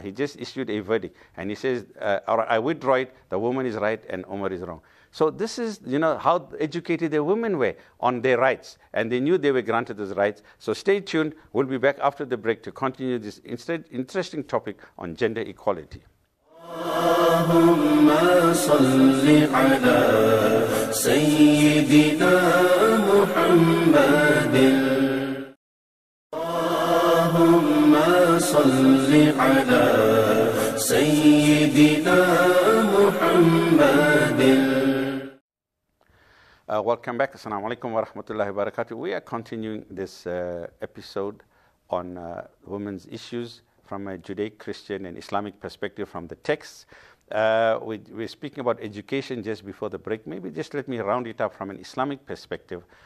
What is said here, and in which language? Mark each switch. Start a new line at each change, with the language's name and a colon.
English: He just issued a verdict. And he says, I withdraw it, the woman is right and Umar is wrong. So this is, you know, how educated the women were on their rights. And they knew they were granted those rights. So stay tuned. We'll be back after the break to continue this interesting topic on gender equality.
Arabic: اللهم صل على سيدنا محمد اللهم صل على سيدنا محمد.
English: Welcome back.
Arabic: Assalamu alaikum wa rahmatullahi wa barakatuh.
English: We are continuing this episode on women's issues from a Judaic, Christian, and Islamic perspective from the texts. We're speaking about education just before the break. Maybe just let me round it up from an Islamic perspective.